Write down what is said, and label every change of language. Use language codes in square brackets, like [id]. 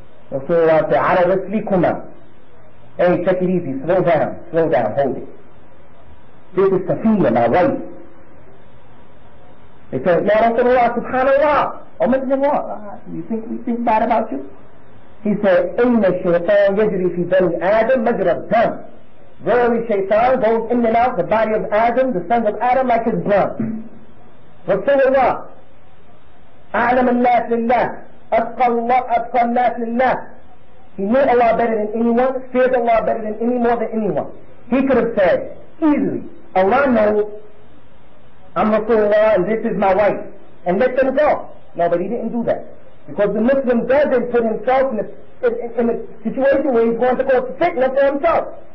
[en] Rasulullah said, [ar] عَلَى رَسْلِكُمَا. [en] Hey, check it easy, slow down, hold it. This is Safiya, my wife. They said, Ya Rasulullah, subhanAllah, oh, my God, you think bad about you? He said, [ar] إِنَّ الشَّيْطَانَ يَجْرِي فِي بَنِي آدَمَ مَجْرَى الدَّمِ. [en] Verily Shaitan goes in and out the body of Adam, the sons of Adam, like his blood. [ar] Rasulullah, أَعْلَمَ النَّاسِ لِلَّهِ أَتْقَى اللَّهِ أَتْقَى النَّاسِ لِلَّهِ. [en] He knew Allah better than anyone, feared Allah better than any more than anyone. He could have said, easily, Allah knows, I'm Rasulullah and this is my wife, and let them go. No, but he didn't do that. Because the Muslim doesn't put himself in a situation where he's going to cause fitna for himself.